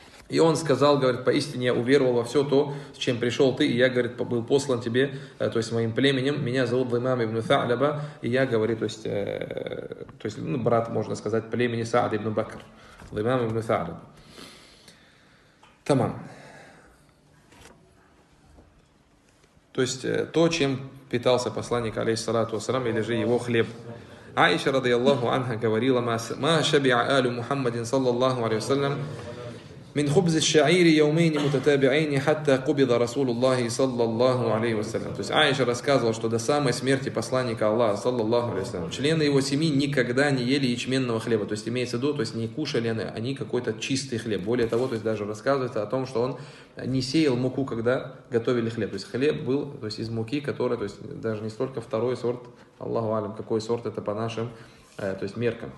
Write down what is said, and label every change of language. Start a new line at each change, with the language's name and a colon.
Russian: И он сказал, говорит, поистине я уверовал во все то, с чем пришел ты, и я, говорит, был послан тебе, то есть моим племенем, меня зовут Имам ибн Тха'ляба, и я, говорит, то есть ну, брат, можно сказать, племени Саад ибн Бакр, Имам ибн Тха'ляба. Тамам. То есть то, чем питался посланник, алейхиссалату вассалям, или же его хлеб.
Arabic: Аиша, радиаллаху анха, говорила, ма шаби'а алю Мухаммадин, саллаллаху алейхи вассалям, من خبز الشعير يومين متتابعين حتى قبض رسول الله صلى الله عليه وسلم.
Russian: То есть Аиша рассказывала, что до самой смерти посланника Аллаха, саллаллаху алейхи ва саллям, члены его семьи никогда не ели ячменного хлеба. То есть имеется в виду, то есть не кушали они какой-то чистый хлеб. Более того, то есть даже рассказывается о том, что он не сеял муку, когда готовили хлеб. То есть хлеб был, то есть из муки, которая, то есть даже не столько второй сорт, Аллаху алям, какой сорт это по нашим, то есть меркам.